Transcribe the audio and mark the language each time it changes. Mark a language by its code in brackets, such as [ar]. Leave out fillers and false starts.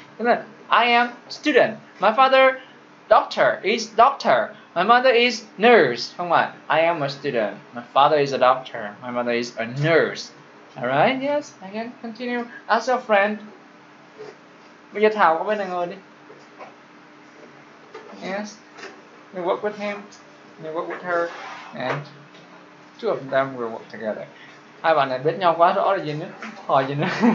[vi] Chúng ta, [en] I am student. My father, doctor, is doctor. My mother is nurse. [vi] Không phải, [en] I am a student. My father is a doctor. My mother is a nurse. Alright? Yes? I can continue. Ask your friend. [vi] Bây giờ Thảo có bên này ngồi đi. [en] Yes, we work with him, we work with her, and two of them will work together. [vi] Hai bạn này biết nhau quá rõ là gì nữa, hỏi gì nữa.